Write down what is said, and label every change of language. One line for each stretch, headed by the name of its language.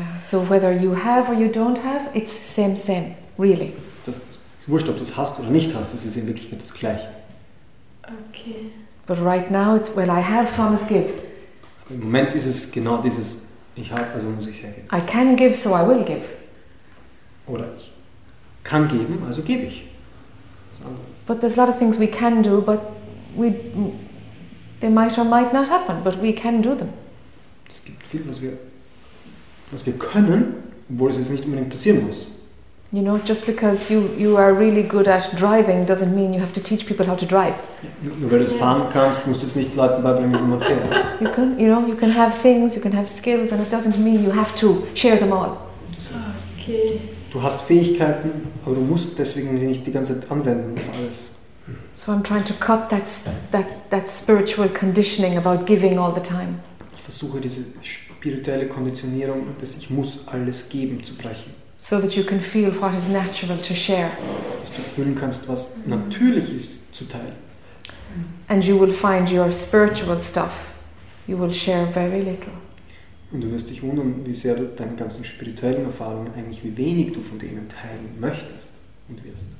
English: So whether you have or you don't have, it's same, really.
German: Das ist wurscht, ob du es hast oder nicht hast. Das ist in Wirklichkeit das Gleiche.
English: Okay. But right now it's, well, I have, so I must give.
German: Aber im Moment ist es genau dieses. Ich habe, also muss ich sagen.
English: I can give, so I will give.
German: Oder ich kann geben, also gebe ich. Was anderes.
English: But there's a lot of things we can do, but they might or might not happen, but we can do them.
German: Es gibt viel, was wir können, obwohl es jetzt nicht unbedingt passieren muss.
English: You know, just because you are really good at driving doesn't mean you have to teach people how to drive.
German: Nur weil du es fahren kannst, musst du es nicht Leuten beibringen, wie man fährt.
English: You can, you know, you can have things, you can have skills, and it doesn't mean you have to share them all. Okay.
German: Du hast Fähigkeiten, aber du musst deswegen sie nicht die ganze Zeit anwenden auf alles.
English: So I'm trying to cut that spiritual conditioning about giving all the time.
German: Ich versuche diese spirituelle Konditionierung, dass ich muss alles geben, zu brechen.
English: So that you can feel what is natural to share.
German: Dass du fühlen kannst, was natürlich ist, zu teilen.
English: And you will find your spiritual stuff, you will share very little.
German: Und du wirst dich wundern, wie sehr du deine ganzen spirituellen Erfahrungen, eigentlich wie wenig du von denen teilen möchtest und wirst.